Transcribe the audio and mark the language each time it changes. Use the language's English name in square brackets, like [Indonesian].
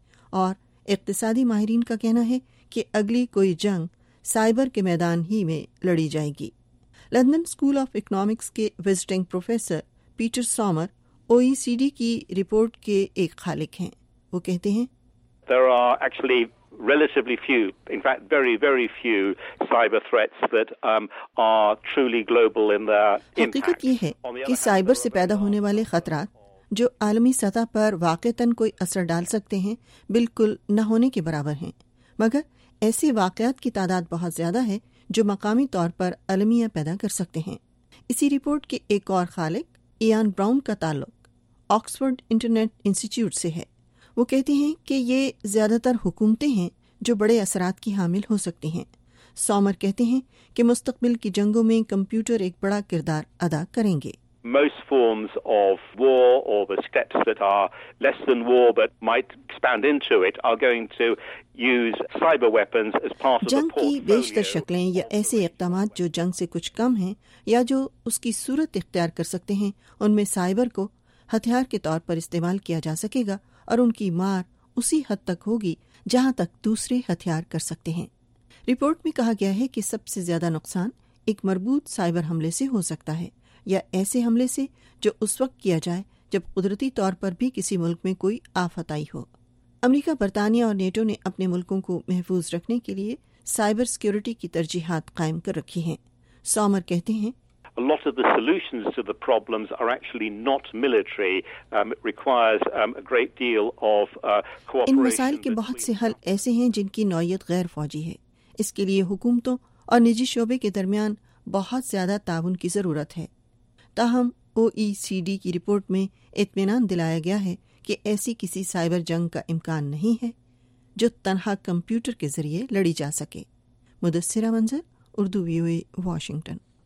[Urdu] اور اقتصادی ماہرین کا کہنا ہے کہ اگلی کوئی جنگ سائبر کے میدان ہی میں لڑی جائے گی. لندن اسکول آف اکنامکس کے وزٹنگ پروفیسر پیٹر سومر او ای سی ڈی کی رپورٹ کے ایک خالق ہیں. وہ کہتے ہیں [English] relatively few, in fact very very few cyber threats that are truly global in their impact. [Urdu] حقیقت یہ ہے کہ سائبر سے پیدا ہونے والے خطرات جو عالمی سطح پر واقعتاً کوئی اثر ڈال سکتے ہیں بالکل نہ ہونے کے برابر ہیں, مگر ایسے واقعات کی تعداد بہت زیادہ ہے جو مقامی طور پر المیہ پیدا کر سکتے ہیں. اسی رپورٹ کے ایک اور خالق ایان براؤن کا تعلق آکسفورڈ انٹرنیٹ انسٹیٹیوٹ سے ہے. وہ کہتے ہیں کہ یہ زیادہ تر حکومتیں ہیں جو بڑے اثرات کی حامل ہو سکتی ہیں. سومر کہتے ہیں کہ مستقبل کی جنگوں میں کمپیوٹر ایک بڑا کردار ادا کریں گے. [English] Most forms of war or the threats that are less than war but might expand into it are going to use cyber weapons as part of the [Urdu] جنگ کی بیشتر شکلیں یا ایسے اقدامات جو جنگ سے کچھ کم ہیں یا جو اس کی صورت اختیار کر سکتے ہیں ان میں سائبر کو ہتھیار کے طور پر استعمال کیا جا سکے گا اور ان کی مار اسی حد تک ہوگی جہاں تک دوسرے ہتھیار کر سکتے ہیں. رپورٹ میں کہا گیا ہے کہ سب سے زیادہ نقصان ایک مربوط سائبر حملے سے ہو سکتا ہے یا ایسے حملے سے جو اس وقت کیا جائے جب قدرتی طور پر بھی کسی ملک میں کوئی آفت آئی ہو. امریکہ, برطانیہ اور نیٹو نے اپنے ملکوں کو محفوظ رکھنے کے لیے سائبر سیکیورٹی کی ترجیحات قائم کر رکھی ہیں. سومر کہتے ہیں [English] A lot of the solutions to the problems are actually not military. It requires a great deal of cooperation. [Urdu] ان مسائل کے بہت سے حل ایسے ہیں جن کی نوعیت غیر فوجی ہے. اس کے لیے حکومتوں اور نجی شعبے کے درمیان بہت زیادہ تعاون کی ضرورت ہے. تاہم او ای سی ڈی کی رپورٹ میں اطمینان دلایا گیا ہے کہ ایسی کسی سائبر جنگ کا امکان نہیں ہے جو تنہا کمپیوٹر کے ذریعے لڑی جا سکے. مدثرہ منظر, اردو وی او اے, واشنگٹن.